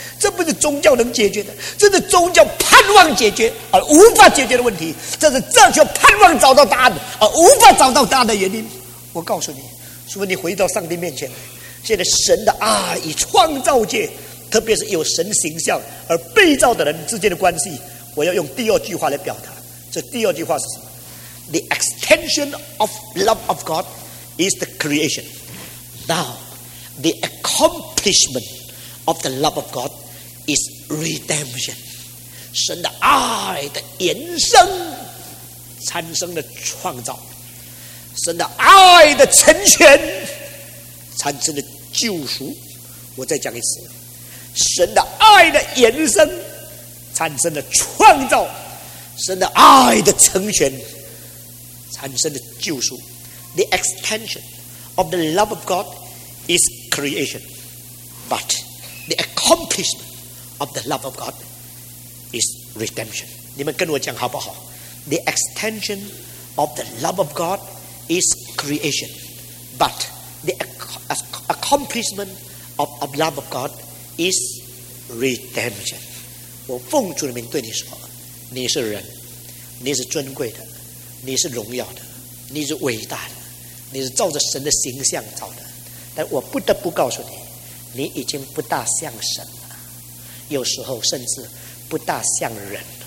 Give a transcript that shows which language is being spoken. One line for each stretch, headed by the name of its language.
Chinese: 这不是宗教能解决的，这是宗教盼望解决而无法解决的问题，这是哲学盼望找到答案而无法找到答案的原因。我告诉你，除非你回到上帝面前，现在神的爱与创造界，特别是有神形象而被造的人之间的关系，我要用第二句话来表达。这第二句话是什么？
English: The extension of love of God is the creation. Now, the accomplishment of the love of God is redemption.
Chinese: 神的爱的延伸产生了创造，神的爱的成全产生了救赎。我再讲一次，神的爱的延伸产生了创造，神的爱的成全产生了救赎。
English: The extension of the love of God is creation, but the accomplishment of the love of God is redemption.
Chinese: 你们跟我讲好不好？
English: The extension of the love of God is creation, but the accomplishment of the love of God is redemption.
Chinese: 我奉主的名对你说，你是人，你是尊贵的，你是荣耀的，你是伟大的，你是照着神的形象造的。但我不得不告诉你，你已经不大像神了，有时候甚至不大像人。